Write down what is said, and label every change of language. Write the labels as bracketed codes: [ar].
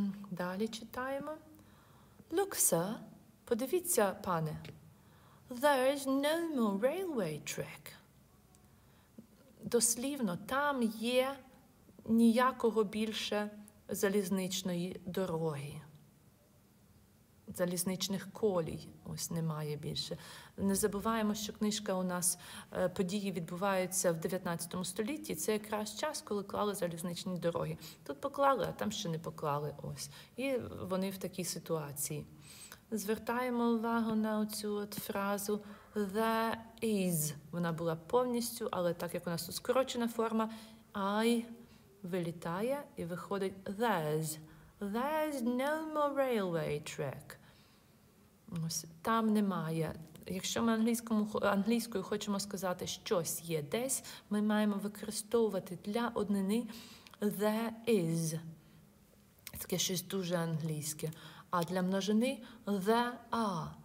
[uk] Далі читаємо. [en] Look, sir, [uk] подивіться, пане. [en] There is no more railway track. [uk] Дослівно, там є ніякого більше залізничної дороги. Залізничних колій ось немає більше. Не забуваємо, що книжка у нас, події відбуваються в 19 столітті. Це якраз час, коли клали залізничні дороги. Тут поклали, а там ще не поклали. Ось. І вони в такій ситуації. Звертаємо увагу на цю от фразу [en] «there is». [uk] Вона була повністю, але так як у нас тут скорочена форма, «I» вилітає і виходить «there's». [en] There's no more railway track. [uk] Там немає. Якщо ми англійською хочемо сказати «щось є десь», ми маємо використовувати для однини [en] «there is». [uk] Таке щось дуже англійське. А для множини [en] «there are».